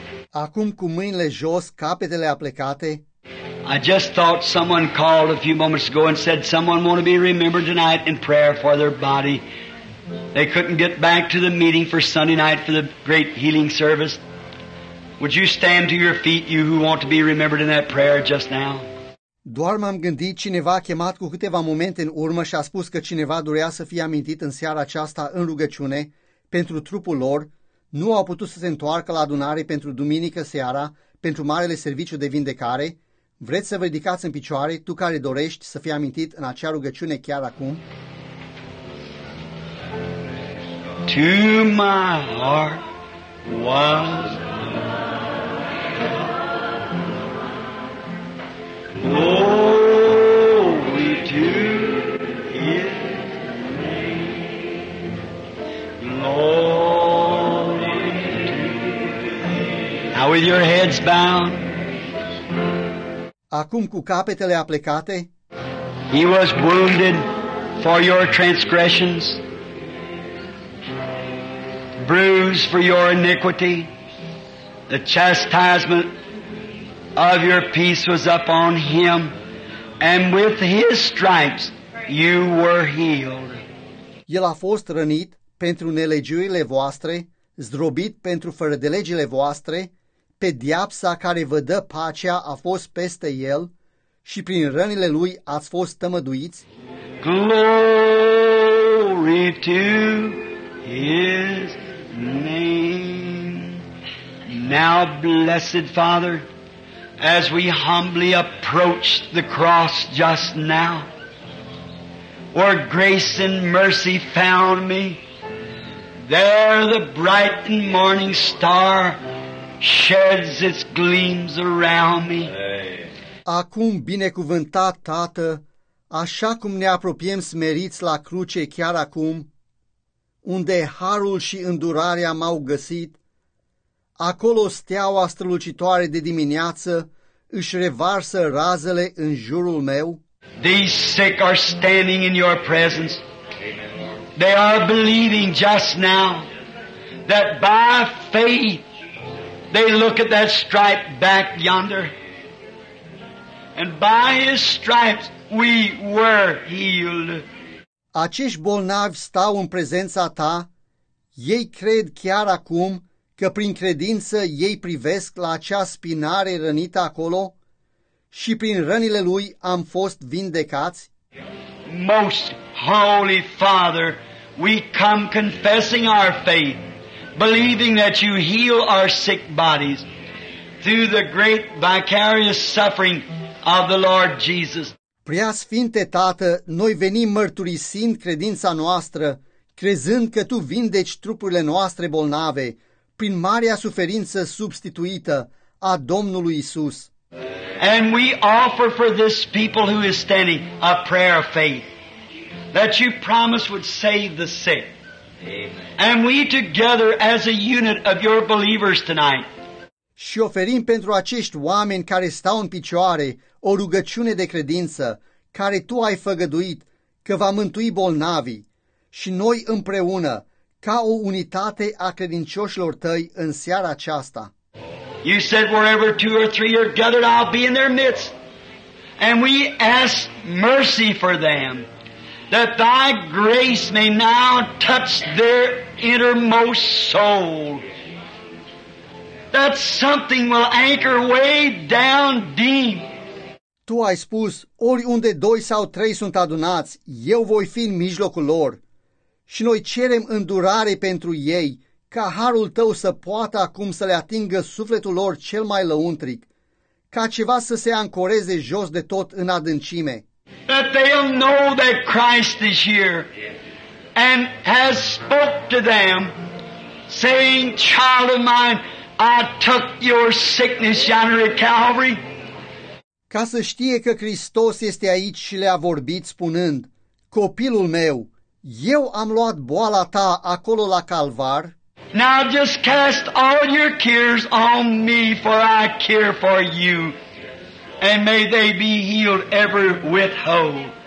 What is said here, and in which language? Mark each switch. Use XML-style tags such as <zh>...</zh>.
<ro>Acum cu mâinile jos, capetele aplecate.</ro> <en>I just thought someone called a few moments ago and said someone want to be remembered tonight in prayer for their body. They couldn't get back to the meeting for Sunday night for the great healing service. Would you stand to your feet, you who want to be remembered in that prayer just now?</en> <ro>Doar m-am gândit, cineva a chemat cu câteva momente în urmă și a spus că cineva dorea să fie amintit în seara aceasta în rugăciune pentru trupul lor. Nu au putut să se întoarcă la adunare pentru duminică seara, pentru marele serviciu de vindecare. Vreți să vă ridicați în picioare, tu care dorești să fii amintit în acea rugăciune chiar acum?</ro> <en>To my heart was glory to His name, glory to His name. Now with your heads bowed.</en> <ro>Acum cu capetele aplecate.</ro> <en>He was wounded for your transgressions, bruised for your iniquity. The chastisement of your peace was upon Him, and with His stripes you were healed.</en> <ro>El a fost rănit pentru nelegiurile voastre, zdrobit pentru fărădelegile voastre, pediapsa care vă dă pacea a fost peste El, și prin rănile Lui ați fost tămăduiți.</ro> <en>Glory to His name. Now, blessed Father, as we humbly approach the cross just now, where grace and mercy found me, there the bright and morning star sheds its gleams around me.</en> <ro>Acum, binecuvântat Tată, așa cum ne apropiem smeriți la cruce chiar acum, unde harul și îndurarea m-au găsit, acolo steaua strălucitoare de dimineață își revarsă razele în jurul meu.</ro> <en>These sick are standing in your presence. They are believing just now that by faith they look at that stripe back yonder. And by His stripes we were healed.</en> <ro>Acești bolnavi stau în prezența Ta, ei cred chiar acum că prin credință ei privesc la acea spinare rănită acolo și prin rănile Lui am fost vindecați.</ro> <en>Most Holy Father, we come confessing our faith, believing that You heal our sick bodies through the great vicarious suffering of the Lord Jesus.</en> <ro>Prea Sfinte Tată, noi venim mărturisind credința noastră, crezând că Tu vindeci trupurile noastre bolnave prin marea suferință substituită a Domnului Iisus.</ro> <en>And we offer for this people who is standing a prayer of faith that You promised would save the sick. Amen. And we together as a unit of Your believers tonight.</en> <ro>Și oferim pentru acești oameni care stau în picioare o rugăciune de credință care Tu ai făgăduit că va mântui bolnavii și noi împreună ca o unitate a credincioșilor Tăi în seara aceasta.</ro> <en>You said wherever two or three are gathered, I'll be in their midst. And we ask mercy for them, that Thy grace may now touch their innermost soul. That something will anchor way down deep.</en> <ro>Tu ai spus, oriunde doi sau trei sunt adunați, eu voi fi în mijlocul lor. Și noi cerem îndurare pentru ei, ca harul Tău să poată acum să le atingă sufletul lor cel mai lăuntric, ca ceva să se ancoreze jos de tot în adâncime.</ro> <en>That they'll know that Christ is here and has spoken to them, saying, child of mine, I took your sickness yonder at Calvary.</en> <ro>Ca să știe că Hristos este aici și le-a vorbit spunând, copilul meu, eu am luat boala ta acolo la Calvar.</ro> <en>Now just cast all your cares on me, for I care for you, and may they be healed ever with hope.</en>